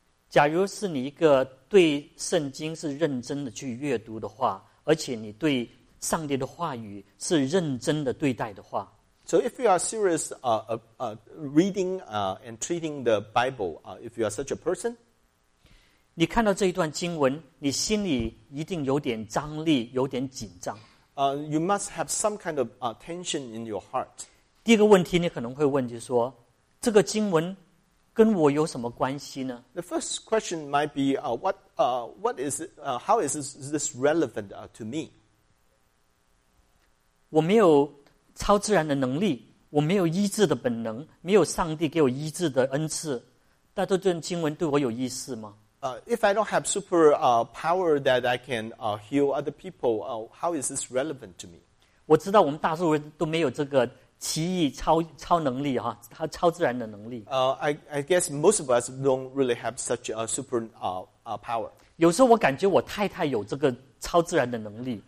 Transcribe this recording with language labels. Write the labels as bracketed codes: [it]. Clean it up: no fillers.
[zh] 假如是你一个对圣经是认真的去阅读的话，而且你对上帝的话语是认真的对待的话。 [en] So if you are serious reading and treating the Bible, if you are such a person, [zh] 你看到这一段经文，你心里一定有点张力，有点紧张。 [en] You must have some kind of tension in your heart. [zh] 第一个问题你可能会问就是说这个经文跟我有什么关系呢 [en] The first question might be, how is this relevant to me? [zh] 我没有超自然的能力我没有医治的本能没有上帝给我医治的恩赐但这段经文对我有意思吗 [en] If I don't have super power that I can heal other people, how is this relevant to me? [zh] 我知道我们大多数人都没有这个奇异超能力哈，它超自然的能力。 [en] I guess most of us don't really have such a super power. [zh] 有时候我感觉我太太有这个超自然的能力。